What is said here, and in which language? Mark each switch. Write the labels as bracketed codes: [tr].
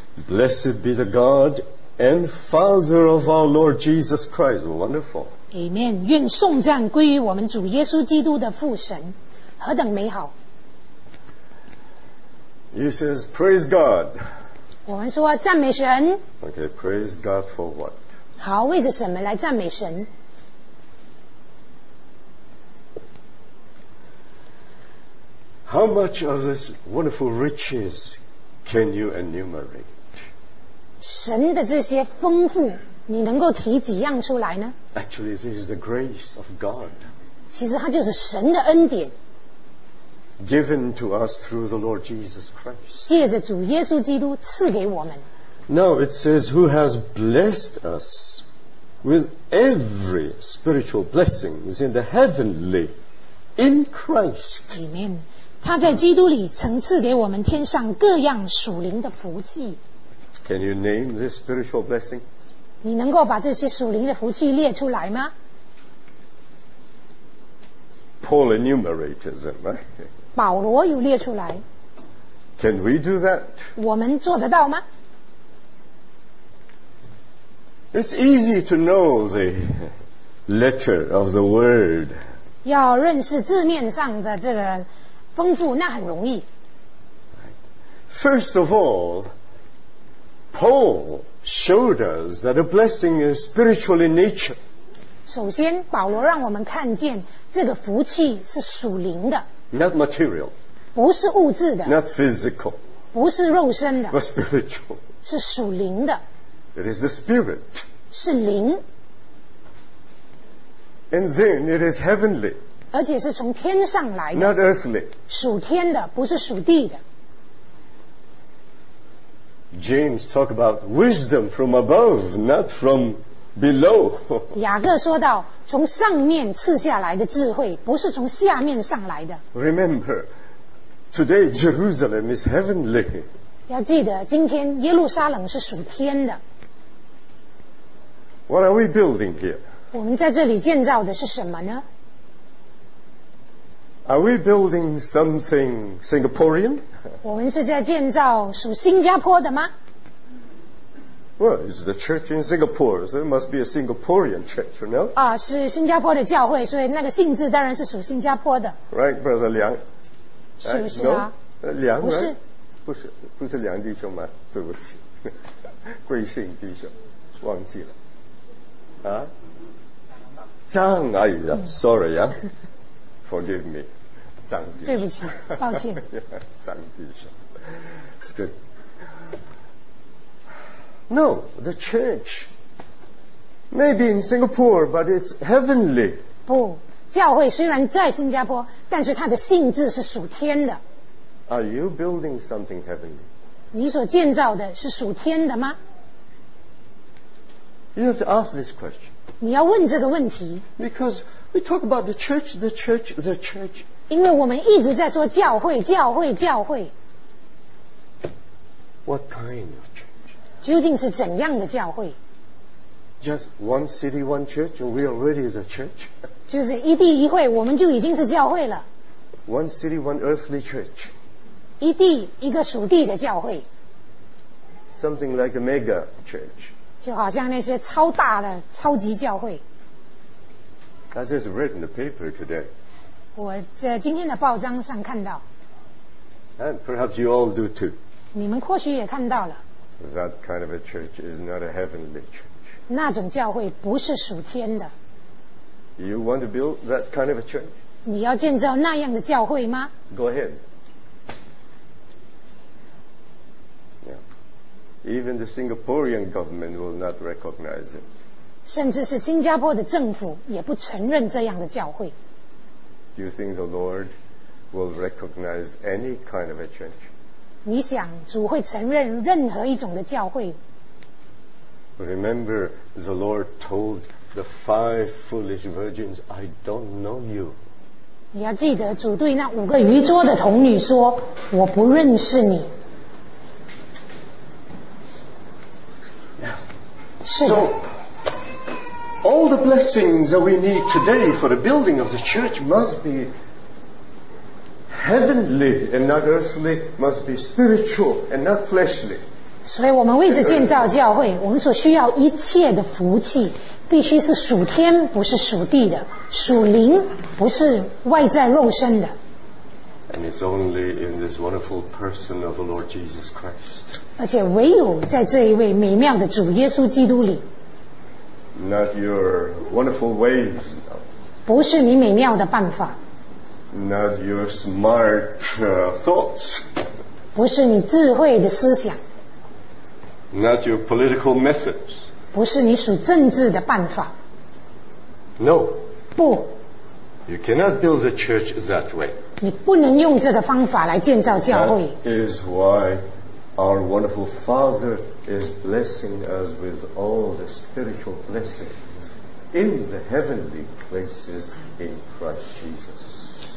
[en] Blessed be the God and Father of our Lord Jesus Christ. Wonderful. Amen. [zh] 愿颂赞归于我们主耶稣基督的父神。何等美好。 [en] He says, praise God. [zh] 我们说赞美神。 [en] Okay, praise God for what? [zh] 好，为着什么来赞美神？ [en] How much of this wonderful riches can you enumerate? [zh] 神的这些丰富，你能够提几样出来呢？ [en] Actually, this is the grace of God. [zh] 其实它就是神的恩典。 [en] Given to us through the Lord Jesus Christ. [zh] 借着主耶稣基督赐给我们。 [en] Now it says, who has blessed us with every spiritual blessing in the heavenly in Christ. Amen. [zh] 他在基督里曾赐给我们天上各样属灵的福气。 [en] Can you name this spiritual blessing? [zh] 你能够把这些属灵的福气列出来吗？ [en] Paul enumerated them, right? [zh] 保罗有列出来。 [en] Can we do that? [zh] 我们做得到吗？ [en] It's easy to know the letter of the word. [zh] 要认识字面上的这个丰富，那很容易。 [en] First of all, Paul showed us that a blessing is spiritual in nature. [zh] 首先，保罗让我们看见这个福气是属灵的， [en] not material， [zh] 不是物质的， [en] not physical， [zh] 不是肉身的， [en] but spiritual， [zh] 是属灵的， [en] it is the spirit， [zh] 是灵， [en] and then it is heavenly， [zh] 而且是从天上来的， [en] not earthly， [zh] 属天的，不是属地的。 [en] James talk about wisdom from above, not from below. [zh] 雅各说到从上面赐下来的智慧，不是从下面上来的。 [en] Remember, today Jerusalem is heavenly. [zh] 要记得今天耶路撒冷是属天的。 [en] What are we building here? [zh] 我们在这里建造的是什么呢？ [en] Are we building something Singaporean? [zh] 我们是在建造属新加坡的吗？ [en] Well, it's the church in Singapore, so it must be a Singaporean church, you know? [zh] 啊，是新加坡的教会，所以那个性质当然是属新加坡的。 [en] Right, Brother Liang. [zh] 是不是啊？ [en] No? [zh] 梁不是， [en] right? [zh] 不是，不是梁弟兄吗？对不起，贵姓弟兄，忘记了。啊？张阿姨啊 ， [en] Sorry [zh] 啊， [en] Forgive me， [zh] 张弟兄。对不起，抱歉。 [en] 张弟兄 ，It's good. No, the church. Maybe in Singapore, but it's heavenly. [zh] 不，教会虽然在新加坡，但是它的性质是属天的。 [en] Are you building something heavenly? [zh] 你所建造的是属天的吗？ [en] You have to ask this question. [zh] 你要问这个问题。 [en] Because we talk about the church, the church, the church. [zh] 因为我们一直在说教会，教会，教会。 [en] What kind of? [zh] 究竟是怎样的教会？ [en] Just one city, one church, and we already the church. [zh] 就是一地一会，我们就已经是教会了。 [en] One city, one earthly church. [zh] 一地一个属地的教会。 [en] Something like a mega church. [zh] 就好像那些超大的超级教会。 [en] I just read in the paper today. [zh] 我在今天的报章上看到。 [en] And perhaps you all do too. [zh] 你们或许也看到了。 [en] That kind of a church is not a heavenly church. [zh] 那种教会不是属天的。 [en] You want to build that kind of a church? [zh] 你要建造那样的教会吗？ [en] Go ahead. Even the Singaporean government will not recognize it. [zh] 甚至是新加坡的政府也不承认这样的教会。 [en] Do you think the Lord will recognize any kind of a church? [zh] 你想主会承认任何一种的教会？ [en] Remember, the Lord told the five foolish virgins, I don't know you. [zh] 你要记得主对那五个愚拙的童女说，我不认识你。 [en] So, all the blessings that we need today for the building of the church must be heavenly and not earthly, must be spiritual and not fleshly. [zh] 所以我们为着建造教会，我们所需要一切的福气，必须是属天，不是属地的，属灵，不是外在肉身的。 [en] And it's only in this wonderful person of the Lord Jesus Christ. [zh] 而且唯有在这一位美妙的主耶稣基督里。 [en] Not your wonderful ways. [zh] 不是你美妙的办法。 [en] Not your smart thoughts. [zh] 不是你智慧的思想。 [en] Not your political methods. [zh] 不是你属政治的办法。 [en] No. [zh] 不。 [en] You cannot build a church that way. [zh] 你不能用这个方法来建造教会。 [en] That is why our wonderful Father is blessing us with all the spiritual blessings in the heavenly places in Christ Jesus.